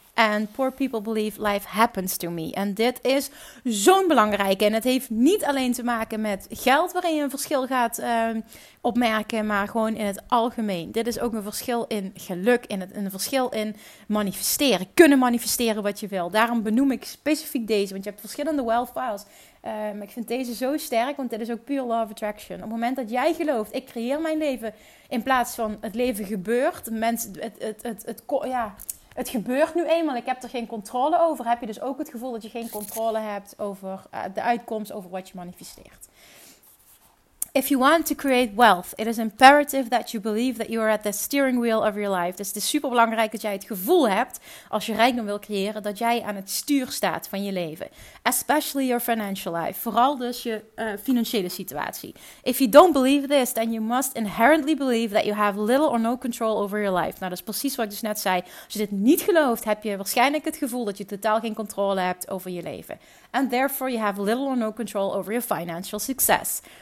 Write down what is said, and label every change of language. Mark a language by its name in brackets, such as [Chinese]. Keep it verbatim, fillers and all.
[English] And poor people believe life happens to me. [Dutch] En dit is zo'n belangrijke. En het heeft niet alleen te maken met geld waarin je een verschil gaat uh, opmerken. Maar gewoon in het algemeen. Dit is ook een verschil in geluk. In het, een verschil in manifesteren. Kunnen manifesteren wat je wil. Daarom benoem ik specifiek deze. Want je hebt verschillende wealth files. Uh, maar ik vind deze zo sterk. Want dit is ook pure law of attraction. Op het moment dat jij gelooft. Ik creëer mijn leven. In plaats van het leven gebeurt. Mensen, het, het, het, het, het, het, ja... Het gebeurt nu eenmaal, ik heb er geen controle over. Heb je dus ook het gevoel dat je geen controle hebt over uh, de uitkomst, over wat je manifesteert. [English] If you want to create wealth, it is imperative that you believe that you are at the steering wheel of your life. [Dutch] Dus het is superbelangrijk dat jij het gevoel hebt, als je rijkdom wil creëren, dat jij aan het stuur staat van je leven. [English] Especially your financial life. [Dutch] Vooral dus je uh, financiële situatie. [English] If you don't believe this, then you must inherently believe that you have little or no control over your life. [Dutch] Nou, dat is precies wat ik dus net zei. Als je dit niet gelooft, heb je waarschijnlijk het gevoel dat je totaal geen controle hebt over je leven. [English] And therefore you have little or no control over your financial success.